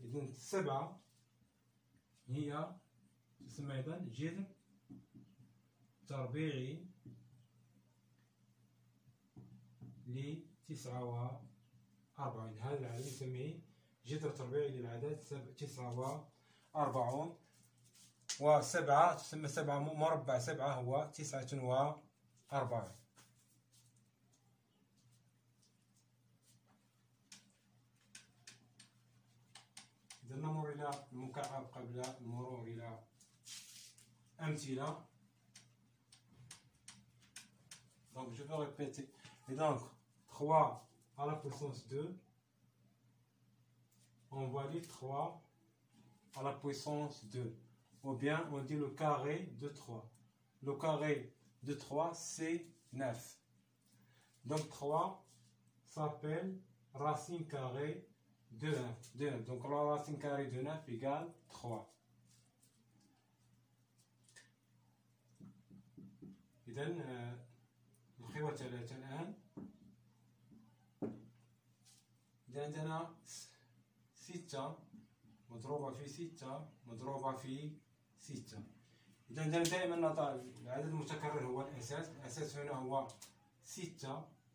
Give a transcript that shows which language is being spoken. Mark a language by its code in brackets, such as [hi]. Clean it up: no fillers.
[ar] إذا 7 هي تسمى أيضا جذر تربيعي ل9 و40، هذا العدد نسميه جذر تربيعي للعدد 9 و40، وسبعة تسمى 7 مربع 7 هو 9 و40. مكعب قبل المرور إلى أمثلة. [fr] Donc je vais répéter. Et donc 3 à la puissance 2, on va dire 3 à la puissance 2. Ou bien on dit le carré de 3. Le carré de 3, c'est 9. Donc 3 s'appelle racine carrée de 1. Donc la racine carrée de 9 égale 3. Et donc, [ar] الخيوة ثلاثة الآن. إذا عندنا ستة مضروبة في ستة مضروبة في ستة. إذا عندنا دائما نضع العدد المتكرر هو الأساس. الأساس هنا هو ستة.